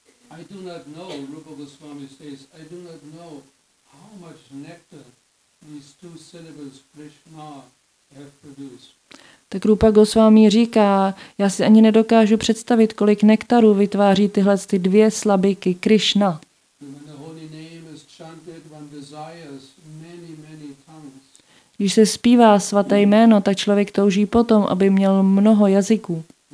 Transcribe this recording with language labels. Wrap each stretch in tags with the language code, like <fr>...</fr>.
<en>I do not know, Rupa Goswami says, I do not know how much nectar these two syllables Krishna have produced.</en> <cs>Tak Rupa Goswami říká, já si ani nedokážu představit, kolik nektaru vytváří tyhle ty dvě slabiky Krishna.</cs> <en>When the holy name is chanted, one desires many, many tongues.</en> <cs>Když se zpívá svaté jméno, tak člověk touží potom, aby měl mnoho jazyků.</cs>